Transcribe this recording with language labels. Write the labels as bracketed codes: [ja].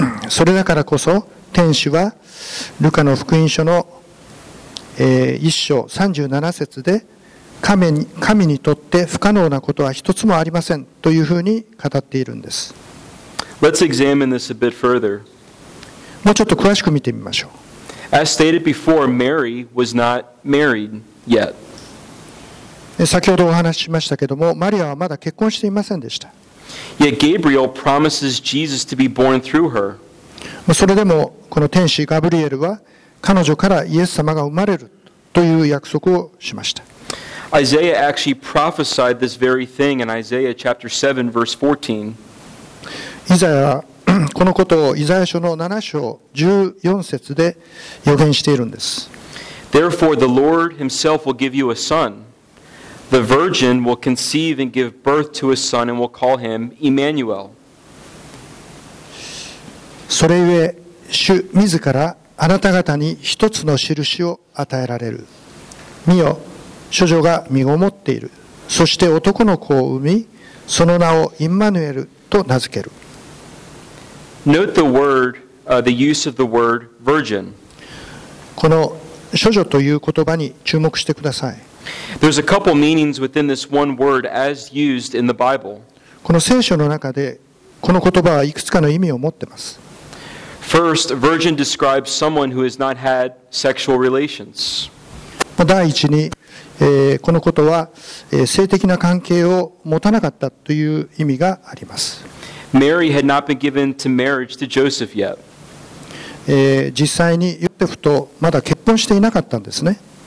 [ja] それだからこそ天使はルカの福音書の一章37節で神にとって不可能なことは一つもありませんというふうに語っているんです。 [en] Let's examine this a bit further. [ja] もうちょっと詳しく見てみましょう。 [en] As stated before, Mary was not married yet. [ja] 先ほどお話ししましたけども、マリアはまだ結婚していませんでした。 [en] Yet Gabriel promises Jesus to be born through her. [ja] それでもこの天使ガブリエルは彼女からイエス様が生まれるという約束をしました。 [en] Isaiah actually prophesied this very thing in Isaiah chapter 7 verse 14. [ja] イザヤはこのことをイザヤ書の7章14節で予言しているんです。 [en] Therefore the Lord himself will give you a son. The virgin will conceive and give birth to a son and will call him Emmanuel. [ja] それゆえ主自らあなた方に一つの印を与えられる。見よ、処女が身ごもっている。そして男の子を産み、その名をインマヌエルと名付ける。 [en] Note the word, the use of the word virgin. [ja] この処女という言葉に注目してください。 [en] There's a couple meanings within this one word as used in the Bible. [ja] この聖書の中でこの言葉はいくつかの意味を持っています。 [en] First, virgin describes someone who has not had sexual relations. [ja] 第一にこのことは性的な関係を持たなかったという意味があります。 [en] Mary had not been given to marriage to Joseph yet. [ja] 実際にヨセフとまだ結婚していなかったんですね。